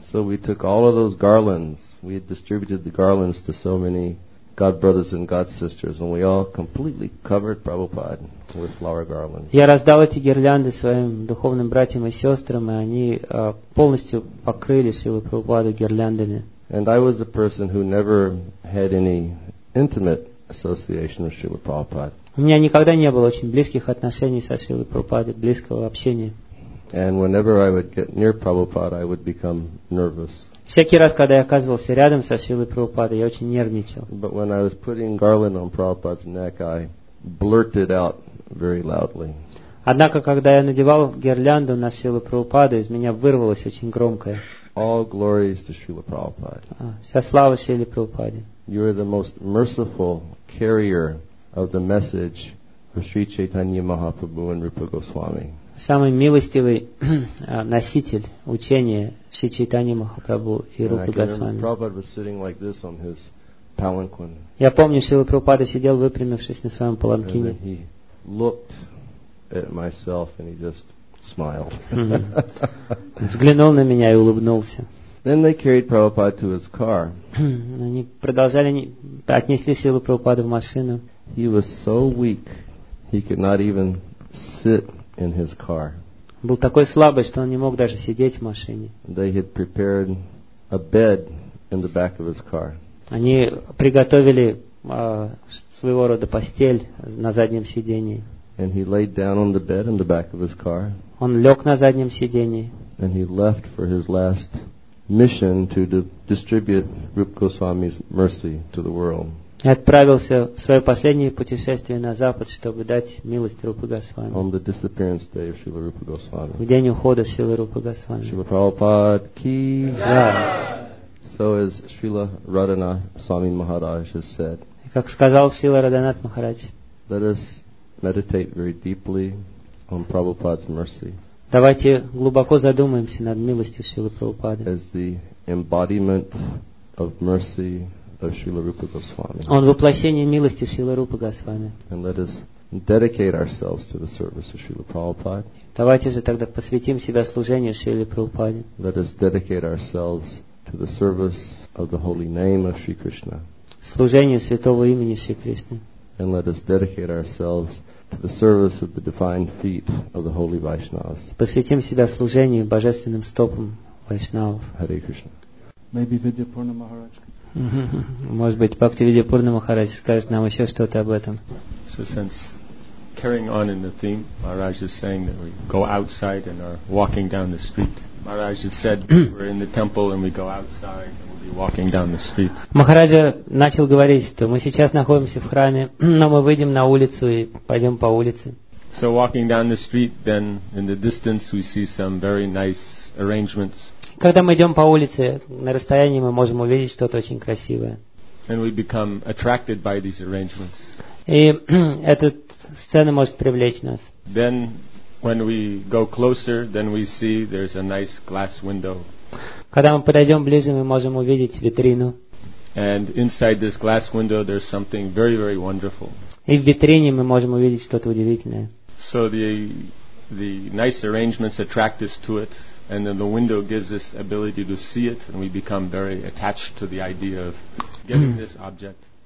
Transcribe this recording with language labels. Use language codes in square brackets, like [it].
[en] So we took all of those garlands. We had distributed the garlands to so many God brothers and God sisters, and we all completely covered Prabhupada with flower garlands. [ru] Я раздал эти гирлянды своим духовным братьям и сестрам, и они полностью покрыли Шрилу Прабхупаду гирляндами. [en] And I was the person who never had any intimate association with Srila Prabhupada. [ru] У меня никогда не было очень близких отношений со Шрилой Прабхупадой, близкого общения. [en] And whenever I would get near Prabhupada, I would become nervous. [ru] Всякий раз, когда я оказывался рядом со Шрилой Прабхупадой, я очень нервничал. [en] But when I was putting garland on Prabhupada's neck, I blurted out very loudly. [ru] Однако, когда я надевал гирлянду на Шрилу Прабхупаду, из меня вырвалось очень громкое. [en] All glories to Srila Prabhupada. [ru] Вся слава Шриле Прабхупаде. [en] You are the most merciful carrier of the message of Sri Chaitanya Mahaprabhu and Rupa Goswami. [ru] Самый милостивый носитель учения Шри Чайтанья Махапрабху и Рупы Госвами. [en] Prabhupada was sitting like this on his palanquin. [ru] Я помню, Шрила Прабхупада сидел, выпрямившись на своем паланкине. [en] And he looked at myself and he just smiled. [ru] Взглянул на меня и улыбнулся. [en] Then they carried Prabhupada to his car. [ru] Они продолжали, отнесли Шрилу Прабхупаду в машину. [en] He was so weak, he could not even sit in his car. [ru] Был такой слабый, что он не мог даже сидеть в машине. [en] They had prepared a bed in the back of his car. [ru] Они приготовили своего рода постель на заднем сидении. [en] And he laid down on the bed in the back of his car. [ru] Он лег на заднем сидении. [en] And he left for his last mission to distribute Rupa Goswami's mercy to the world. [ru] И отправился в свое последнее путешествие на запад, чтобы дать милость Рупы Госвами. [en] On the disappearance day of Srila Rupa Goswami. [ru] В день ухода Шрилы Рупы Госвами. [hi] Srila Prabhupada ki jai. [en] So as Srila Radhanath Swami Maharaj has said. [ru] Как сказал Шрила Радханат Махарадж. [en] Let us meditate very deeply on Prabhupada's mercy. [ru] Давайте глубоко задумаемся над милостью Шрилы Прабхупады. [en] As the embodiment of mercy of Srila Rupa Goswami. [ru] Он воплощение милости Шрилы Рупы Госвами. [en] And let us dedicate ourselves to the service of Srila Prabhupada. [ru] Давайте же тогда посвятим себя служению Шриле Прабхупаде. [en] Let us dedicate ourselves to the service of the holy name of Sri Krishna. [ru] Служению святого имени Шри Кришны. [en] And let us dedicate ourselves to the service of the divine feet of the holy Vaishnavas. [ru] Посвятим себя служению божественным стопам Вайшнавов. [en] Hare Krishna. Maybe Vidyapurna Maharaj. [ru] Может быть, Бхакти Видьяпурна Махарадж скажет нам еще что-то об этом. [en] So since carrying on in the theme, Maharaj is saying that we go outside and are walking down the street. Maharaj has said we're in the temple and we go outside. Walking down the street. [ru] Махараджа начал говорить, что мы сейчас находимся в храме, но мы выйдем на улицу и пойдем по улице. [en] So walking down the street, then in the distance we see some very nice arrangements. [ru] Когда мы идем по улице, на расстоянии мы можем увидеть что-то очень красивое. [en] And we become attracted by these arrangements. [ru] И эта сцена может привлечь нас. [en] Then when we go closer, then we see there's a nice glass window. [ru] Когда мы подойдем ближе, мы можем увидеть витрину. [en] And inside this glass window, there's something very, very wonderful. [ru] И в витрине мы можем увидеть что-то удивительное. [en] So the nice arrangements attract us to it, and then the window gives us ability to see it, and we become very attached to the idea of getting this object.